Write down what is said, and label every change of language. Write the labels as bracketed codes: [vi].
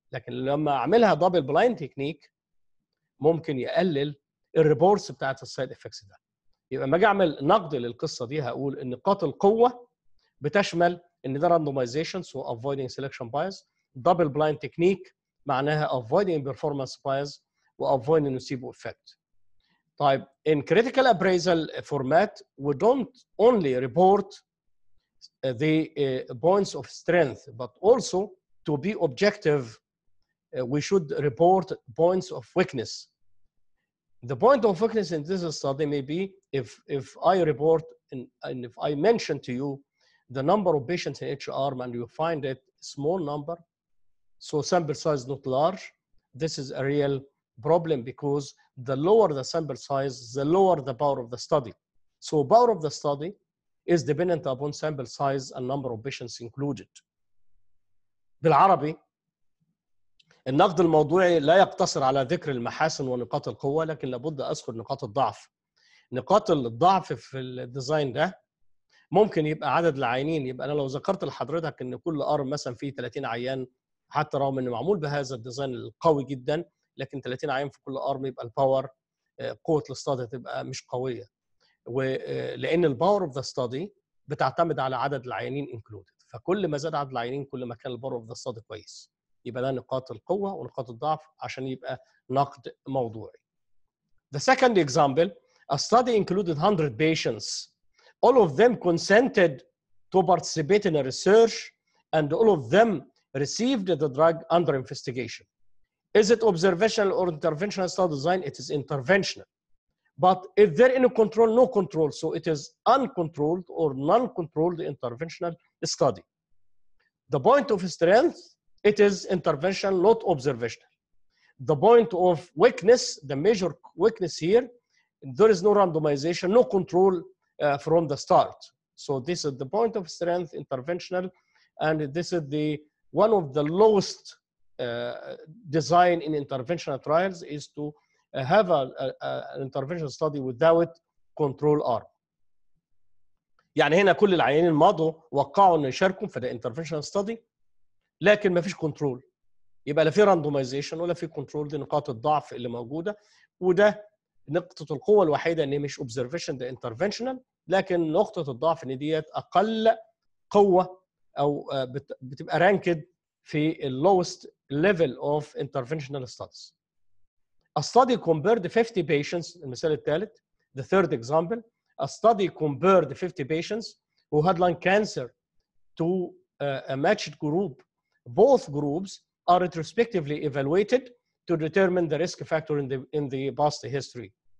[ar] لكن لما اعملها دبل بلايند تكنيك ممكن يقلل الريبورتس بتاعت السايد افكتس ده. يبقى ما اجي اعمل نقد للقصه دي هقول ان نقاط القوه بتشمل ان ده راندومايزيشن سو افويدنج سيلكشن بايز, دبل بلايند تكنيك معناها افويدنج بيرفورمانس بايز وافويدنج نوسيبو افكت. [en] طيب in critical appraisal format we don't only report the points of strength but also to be objective we should report points of weakness. The point of weakness in this study may be if I report and if I mention to you the number of patients in each arm and you find it small number, so sample size not large, this is a real problem because the lower the sample size, the lower the power of the study. So power of the study is dependent upon sample size and number of patients included. [ar] بالعربي النقد الموضوعي لا يقتصر على ذكر المحاسن ونقاط القوة, لكن لابد أذكر نقاط الضعف. نقاط الضعف في الديزاين ده ممكن يبقى عدد العينين. يبقى أنا لو ذكرت لحضرتك أن كل أرم مثلا فيه 30 عيان, حتى رغم أنه معمول بهذا الديزاين القوي جدا, لكن 30 عين في كل ارم يبقى الباور قوه الاستادي تبقى مش قويه, ولان الباور اوف ذا ستادي بتعتمد على عدد العينين انكلودد, فكل ما زاد عدد العينين كل ما كان الباور اوف ذا ستادي كويس. يبقى ده نقاط القوة ونقاط الضعف عشان يبقى نقد موضوعي. [en] The second example, a study included 100 patients. All of them consented to participate in a research and all of them received the drug under investigation. Is it observational or interventional study design? It is interventional. But is there any control? No control. So it is uncontrolled or non-controlled interventional study. The point of strength, it is interventional, not observational. The point of weakness, the major weakness here, there is no randomization, no control from the start. So this is the point of strength, interventional, and this is the one of the lowest design in interventional trials is to have an interventional study without control arm. [ar] يعني هنا كل العيانين مضوا وقعوا ان يشاركوا في the interventional study لكن ما فيش control. يبقى لا في randomization ولا في control. دي نقاط الضعف اللي موجودة وده نقطة القوة الوحيدة ان هي مش observation the interventional لكن نقطة الضعف ان ديت اقل قوة او بتبقى ranked في lowest level of interventional studies. [en] A study compared 50 patients, المثال الثالث, the third example, a study compared 50 patients who had lung cancer to a matched group. Both groups are retrospectively evaluated to determine the risk factor in the past history.